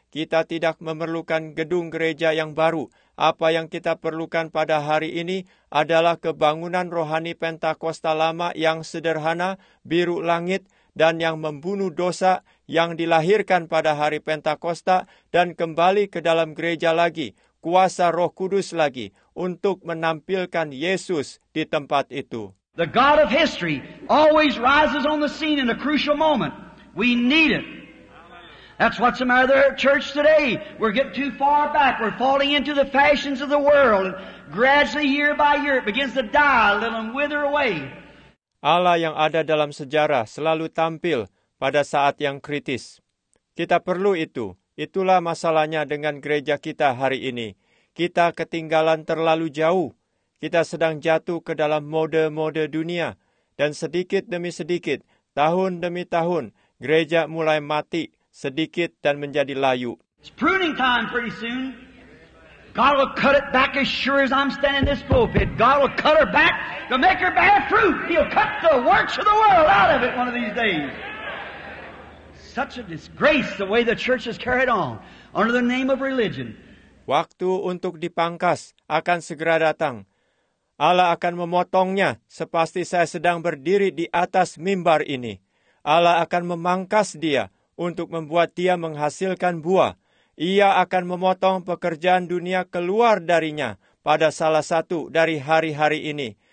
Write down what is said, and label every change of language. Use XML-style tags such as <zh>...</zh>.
<id>Kita tidak memerlukan gedung gereja yang baru. Apa yang kita perlukan pada hari ini adalah kebangunan rohani Pentakosta lama yang sederhana, biru langit, dan yang membunuh dosa yang dilahirkan pada hari Pentakosta dan kembali ke dalam gereja lagi, kuasa Roh Kudus lagi untuk menampilkan Yesus di tempat itu.</id> <en>The God of history always rises on the scene in a crucial moment. We need it. That's what's the matter at church today. We're getting too far back. We're falling into the fashions of the world. And gradually, year by year, it begins to die a little and wither away.</en> <id>Allah yang ada dalam sejarah selalu tampil pada saat yang kritis. Kita perlu itu. Itulah masalahnya dengan gereja kita hari ini. Kita ketinggalan terlalu jauh. Kita sedang jatuh ke dalam mode-mode dunia. Dan sedikit demi sedikit, tahun demi tahun, gereja mulai mati sedikit dan menjadi layu.</id> <en>It's pruning time pretty soon. God will cut it back as sure as I'm standing in this pulpit. God will cut her back to make her bear fruit. He'll cut the works of the world out of it one of these days. Such a disgrace the way the church has carried on under the name of religion.</en> <id>Waktu untuk dipangkas akan segera datang. Allah akan memotongnya sepasti saya sedang berdiri di atas mimbar ini. Allah akan memangkas dia untuk membuat dia menghasilkan buah. Ia akan memotong pekerjaan dunia keluar darinya pada salah satu dari hari-hari ini.</id>